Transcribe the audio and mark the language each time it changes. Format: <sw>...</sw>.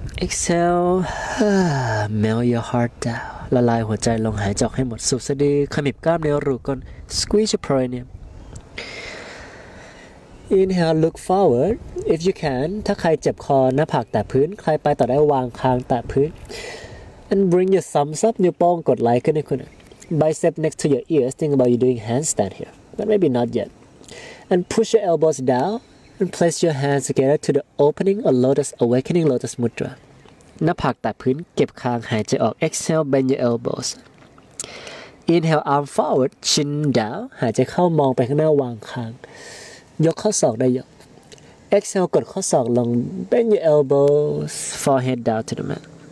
<en>Exhale. Melt your heart down.</en> <th>ละลายหัวใจลงหายใจออกให้หมดสูบสะดือขมิบกล้ามเนื้อรูก้น</th> <en>Squeeze your perineum. Inhale. Look forward. If you can.</en> <th>ถ้าใครเจ็บคอหน้าผากแตะพื้นใครไปต่อได้วางคางแตะพื้น</th> <en>And bring your thumbs up.</en> <th>นิ้วโป้งกดไลค์ขึ้นให้คุณ</th> <en>Bicep next to your ears. Think about you doing handstand here. But maybe not yet. And push your elbows down and place your hands together to the opening of Lotus Awakening Lotus Mudra.</en> <th>หน้าผากแตะพื้นเก็บคางหายใจออก</th> <en>Exhale, bend your elbows. Inhale, arm forward, chin down.</en> <th>หายใจเข้ามองไปข้างหน้าวางคางยกข้อศอกได้ยก</th> <en>Exhale,</en> <th>กดข้อศอกลง</th> <en>Bend your elbows, forehead down to the mat.</en>